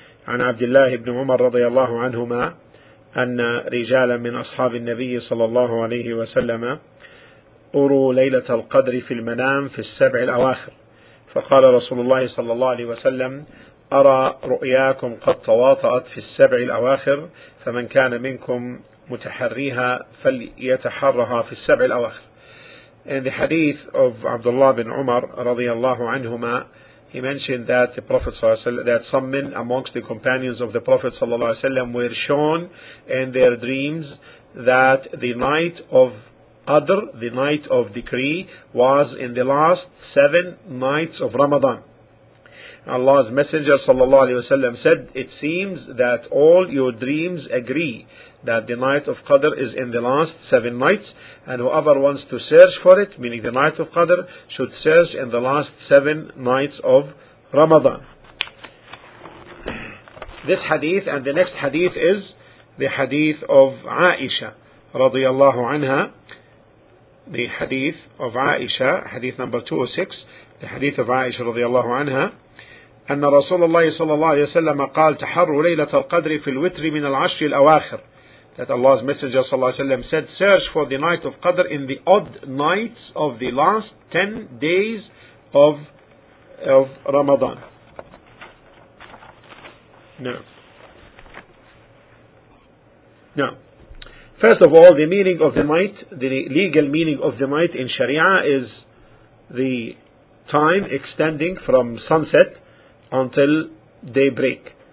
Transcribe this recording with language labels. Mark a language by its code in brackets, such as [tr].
[ar] عن عبد الله بن عمر رضي الله عنهما أن رجالا من أصحاب النبي صلى الله عليه وسلم أروا ليلة القدر في المنام في السبع الأواخر، فقال رسول الله صلى الله عليه وسلم: أرى رؤياكم قد تواطأت في السبع الأواخر، فمن كان منكم متحريها فليتحرها في السبع الأواخر. [en] In the hadith of Abdullah bin Umar radiallahu anhuma, he mentioned that the Prophet that some men amongst the companions of the Prophet were shown in their dreams that the night of Adr, the night of decree, was in the last seven nights of Ramadan. Allah's Messenger sallallahu alayhi wa sallam said, it seems that all your dreams agree that the night of Qadr is in the last seven nights, and whoever wants to search for it, meaning the night of Qadr, should search in the last seven nights of Ramadan. This hadith and the next hadith is the hadith of Aisha radiyallahu anha. The hadith of Aisha, hadith number 206, the hadith of Aisha radiyallahu anha, [ar] أن رسول الله صلى الله عليه وسلم قال تحروا ليلة القدر في الوتر من العشر الأواخر. [en] That Allah's Messenger [ar] صلى الله عليه وسلم [en] said, search for the night of Qadr in the odd nights of the last 10 days of Ramadan. Now, first of all, the meaning of the night, the legal meaning of the night in Sharia is the time extending from sunset until daybreak.